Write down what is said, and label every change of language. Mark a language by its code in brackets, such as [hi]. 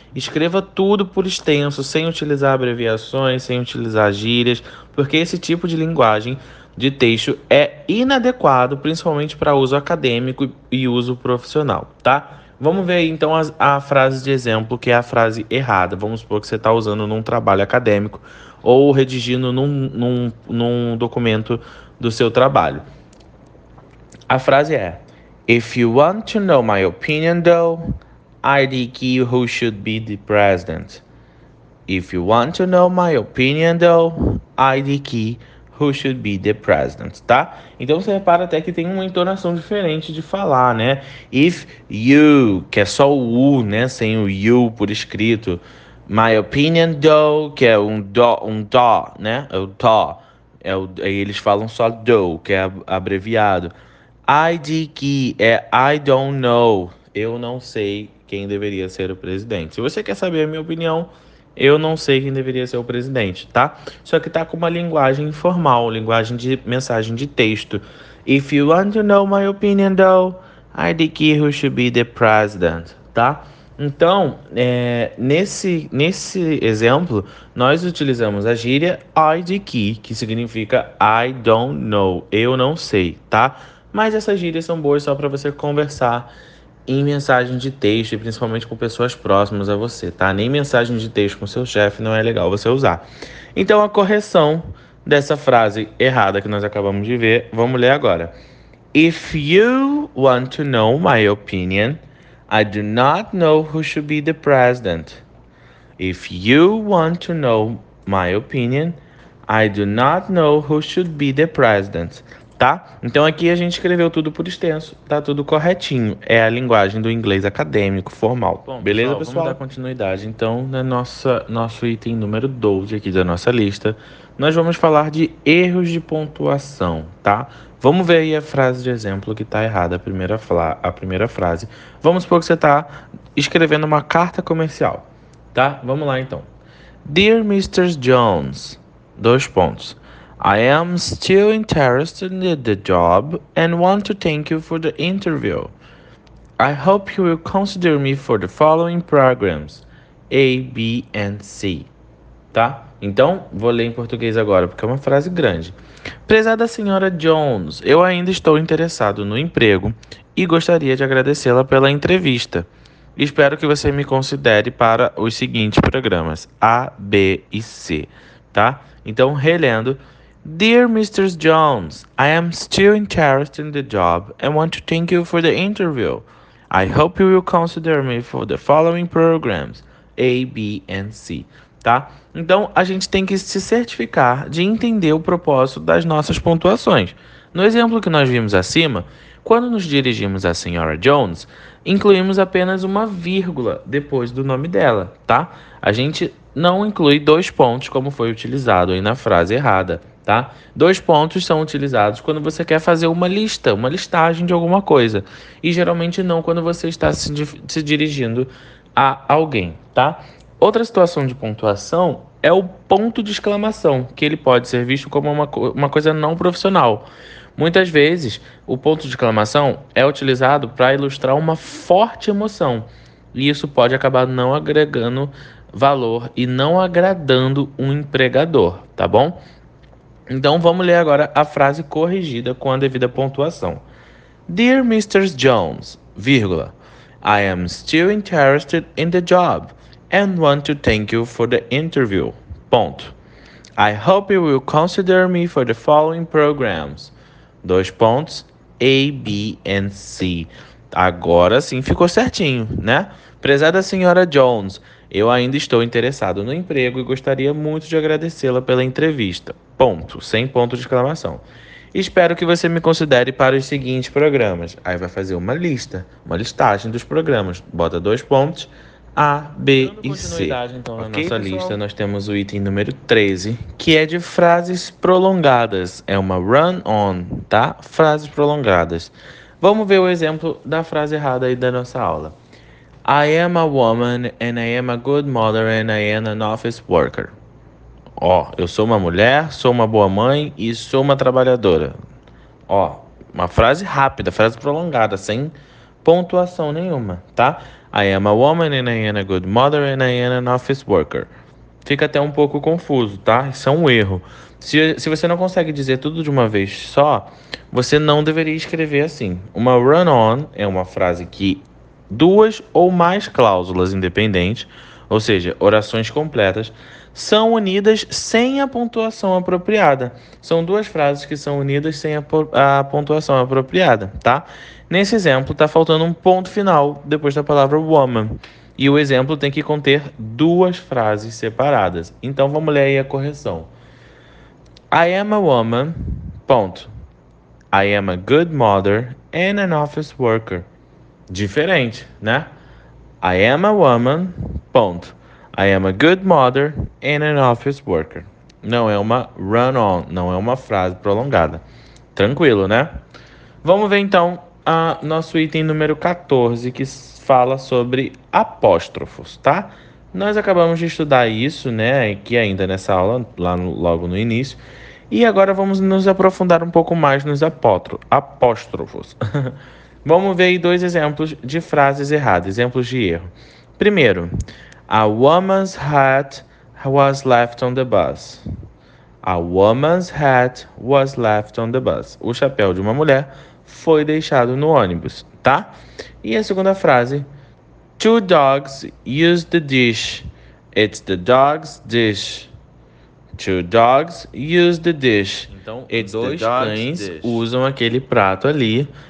[pt] Escreva tudo por extenso, sem utilizar abreviações, sem utilizar gírias, porque esse tipo de linguagem de texto é inadequado, principalmente para uso acadêmico e uso profissional, tá? Vamos ver aí, então a frase de exemplo, que é a frase errada. Vamos supor que você está usando num trabalho acadêmico ou redigindo num documento do seu trabalho. A frase é: [en] If you want to know my opinion, though, I think you who should be the president. If you want to know my opinion, though, I think who should be the president, [pt] tá? Então você repara até que tem uma entonação diferente de falar, né? If you, que é só o U, né? Sem o you por escrito. [en] My opinion, though, [pt] que é um dó, né? É o dó. Eles falam só do, que é abreviado. IDK é [en] I don't know. [pt] Eu não sei quem deveria ser o presidente. Se você quer saber a minha opinião, eu não sei quem deveria ser o presidente, tá? Só que tá com uma linguagem informal, linguagem de mensagem de texto. [en] If you want to know my opinion, though, I think you should be the president, [pt] tá? Então, nesse exemplo, nós utilizamos a gíria IDK, que significa [en] I don't know, [pt] eu não sei, tá? Mas essas gírias são boas só para você conversar em mensagem de texto e principalmente com pessoas próximas a você, tá? Nem mensagem de texto com seu chefe não é legal você usar. Então, a correção dessa frase errada que nós acabamos de ver, vamos ler agora. [en] If you want to know my opinion, I do not know who should be the president. If you want to know my opinion, I do not know who should be the president. [pt] tá? Então aqui a gente escreveu tudo por extenso, tá tudo corretinho. É a linguagem do inglês acadêmico, formal. Bom, beleza, pessoal? Vamos pessoal? dar continuidade então no nosso item número 12 aqui da nossa lista. Nós vamos falar de erros de pontuação, tá? Vamos ver aí a frase de exemplo que tá errada, a primeira frase. Vamos supor que você tá escrevendo uma carta comercial, tá? Vamos lá então. [en] Dear Mr. Jones, [pt] dois pontos. [en] I am still interested in the job and want to thank you for the interview. I hope you will consider me for the following programs, A, B and C. [pt] Tá? Então, vou ler em português agora, porque é uma frase grande. Prezada senhora Jones, eu ainda estou interessado no emprego e gostaria de agradecê-la pela entrevista. Espero que você me considere para os seguintes programas, A, B e C. Tá? Então, relendo. [en] Dear Mr. Jones, I am still interested in the job and want to thank you for the interview. I hope you will consider me for the following programs, A, B and C. [pt] Tá? Então, a gente tem que se certificar de entender o propósito das nossas pontuações. No exemplo que nós vimos acima, quando nos dirigimos à senhora Jones, incluímos apenas uma vírgula depois do nome dela, tá? A gente não inclui dois pontos, como foi utilizado aí na frase errada, tá? Dois pontos são utilizados quando você quer fazer uma lista, uma listagem de alguma coisa. E geralmente não quando você está se dirigindo a alguém, tá? Outra situação de pontuação é o ponto de exclamação, que ele pode ser visto como uma coisa não profissional. Muitas vezes, o ponto de exclamação é utilizado para ilustrar uma forte emoção. E isso pode acabar não agregando valor e não agradando um empregador, tá bom? Então, vamos ler agora a frase corrigida com a devida pontuação. [en] Dear Mr. Jones, [pt] vírgula, [en] I am still interested in the job and want to thank you for the interview, [pt] ponto. [en] I hope you will consider me for the following programs, [pt] dois pontos, [en] A, B and C. [pt] Agora sim ficou certinho, né? Prezada senhora Jones, eu ainda estou interessado no emprego e gostaria muito de agradecê-la pela entrevista, ponto, sem ponto de exclamação. Espero que você me considere para os seguintes programas. Aí vai fazer uma lista, uma listagem dos programas, bota dois pontos, A, B e C. Então, okay, na nossa pessoal? Lista, nós temos o item número 13, que é de frases prolongadas. É uma run-on, tá? Frases prolongadas. Vamos ver o exemplo da frase errada aí da nossa aula. [en] I am a woman and I am a good mother and I am an office worker. [pt] Eu sou uma mulher, sou uma boa mãe e sou uma trabalhadora. Uma frase rápida, frase prolongada, sem pontuação nenhuma, tá? [en] I am a woman and I am a good mother and I am an office worker. [pt] Fica até um pouco confuso, tá? Isso é um erro. Se você não consegue dizer tudo de uma vez só, você não deveria escrever assim. Uma run-on é uma frase que duas ou mais cláusulas independentes, ou seja, orações completas, são unidas sem a pontuação apropriada. São duas frases que são unidas sem a pontuação apropriada, tá? Nesse exemplo, está faltando um ponto final depois da palavra woman. E o exemplo tem que conter duas frases separadas. Então, vamos ler aí a correção. [en] I am a woman, [pt] ponto. [en] I am a good mother and an office worker. [pt] Diferente, né? [en] I am a woman, [pt] ponto. [en] I am a good mother and an office worker. [pt] Não é uma run-on, não é uma frase prolongada. Tranquilo, né? Vamos ver então a nosso item número 14, que fala sobre apóstrofos, tá? Nós acabamos de estudar isso, né, aqui ainda nessa aula, lá no, logo no início. E agora vamos nos aprofundar um pouco mais nos apóstrofos. Vamos ver aí dois exemplos de frases erradas, exemplos de erro. Primeiro, [en] a woman's hat was left on the bus. A woman's hat was left on the bus. [pt] O chapéu de uma mulher foi deixado no ônibus, tá? E a segunda frase, [en] two dogs used the dish. It's the dog's dish. Two dogs used the dish. [pt] Então, dois cães usam aquele prato ali.